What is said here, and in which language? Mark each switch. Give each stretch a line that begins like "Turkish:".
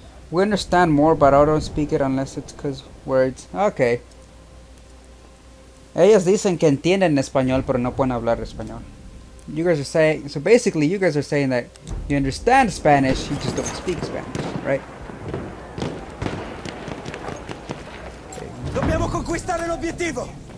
English: We understand more, but I don't speak it unless it's cause words. Okay.
Spanish: Ellos dicen que entienden español, pero no pueden hablar español.
English: You guys are saying, so basically you guys are saying that you understand Spanish, you just don't speak Spanish, right?
Italian: Dobbiamo conquistare l'obiettivo.